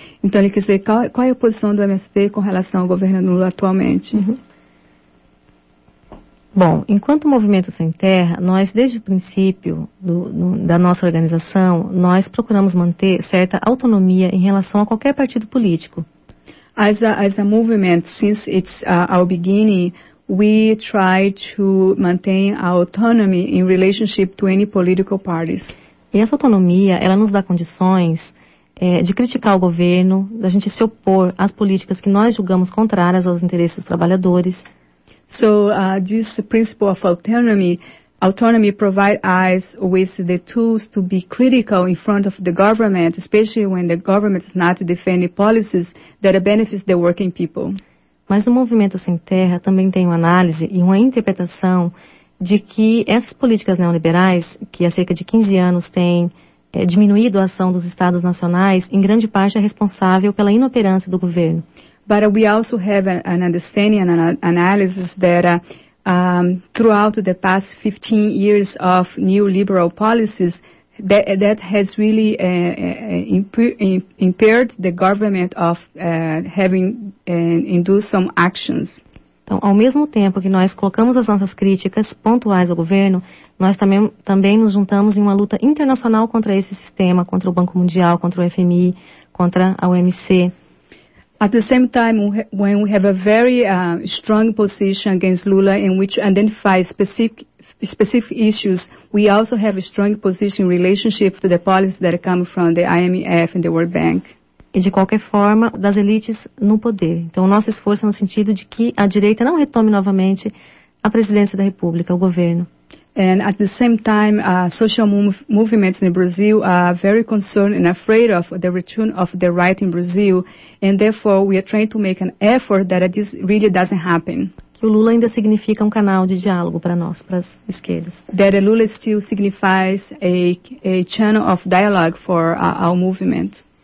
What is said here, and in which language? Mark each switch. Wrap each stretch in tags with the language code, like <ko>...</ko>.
<pt>Então ele quer dizer, qual é a posição do MST com relação ao governo Lula atualmente? Uhum. Bom, enquanto Movimento Sem Terra, nós, desde o princípio da nossa organização, nós procuramos manter certa autonomia em relação a qualquer partido político.</pt> <en>As a movement, since it's our beginning, we try to maintain our autonomy in relationship to any political parties.</en> <pt>E essa autonomia, ela nos dá condições de criticar o governo, da gente se opor às políticas que nós julgamos contrárias aos interesses dos trabalhadores.</pt> <en>So this principle of autonomy provides us with the tools to be critical in front of the government, especially when the government is not defending policies that benefit the working people.</en> <pt>Mas o Movimento Sem Terra também tem uma análise e uma interpretação de que essas políticas neoliberais, que há cerca de 15 anos têm diminuído a ação dos estados nacionais, em grande parte é responsável pela inoperância do governo.</pt> <en>But we also have an understanding and an analysis that throughout the past 15 years of neoliberal policies, that has really impaired the government of having induced some actions.</en> <pt>Então, ao mesmo tempo que nós colocamos as nossas críticas pontuais ao governo, nós também nos juntamos em uma luta internacional contra esse sistema, contra o Banco Mundial, contra o FMI, contra a OMC.</pt> <en>At the same time, when we have a very strong position against Lula in which identify specific issues, we also have a strong position in relationship to the policies that come from the IMF and the World Bank.</en> <pt>E de qualquer forma, das elites no poder. Então, o nosso esforço é no sentido de que a direita não retome novamente a presidência da República, o governo.</pt> <en>And at the same time, social movements in Brazil are very concerned and afraid of the return of the right in Brazil, and therefore we are trying to make an effort that this really doesn't happen.</en> <pt>Que o Lula ainda significa um canal de diálogo para nós, para as esquerdas.</pt> <en>That Lula still signifies a channel of dialogue for our movement.</en>